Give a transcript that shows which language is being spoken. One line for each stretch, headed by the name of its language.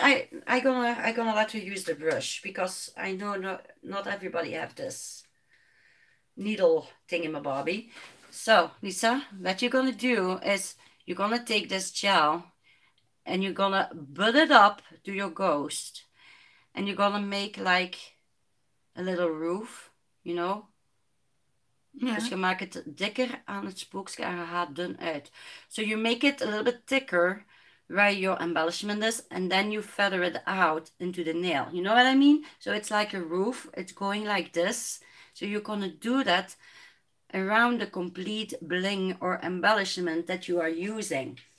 English: I'm gonna let you use the brush because I know not everybody have this needle thingamabobby. So, Lisa, what you're gonna do is you're gonna take this gel and you're gonna butt it up to your ghost and you're gonna make like a little roof, you know? Yeah.
Dutch: Dus je maakt het dikker aan het spookje en je haalt dun uit.
English: So you make it a little bit thicker where your embellishment is and then you feather it out into the nail. You know what I mean? So it's like a roof. It's going like this. So you're going to do that around the complete bling or embellishment that you are using.